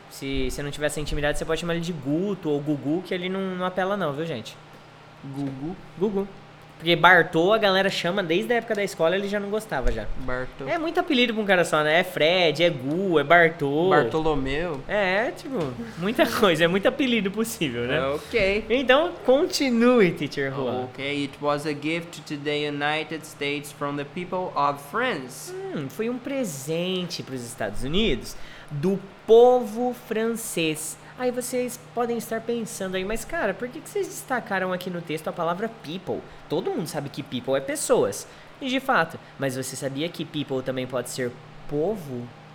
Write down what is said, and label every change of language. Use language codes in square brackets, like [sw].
[pt] Se você não tiver essa intimidade, você pode chamar ele de Guto ou Gugu, que ele não apela, não, viu, gente? Gugu. Porque Bartô, a galera chama desde a época da escola, ele já não gostava já. Bartô. É muito apelido pra um cara só, né? É Fred, é Gu, é Bartô. Bartolomeu. É, tipo, muita coisa, é muito apelido possível, né? Ok. Então, continue, Teacher Juan. [en] Ok, it was a gift to the United States from the people of France. [pt] Foi um presente pros Estados Unidos do povo francês. Aí vocês podem estar pensando aí, mas cara, por que vocês destacaram aqui no texto a palavra people? Todo mundo sabe que people é pessoas. E de fato, mas você sabia que people também pode ser povo?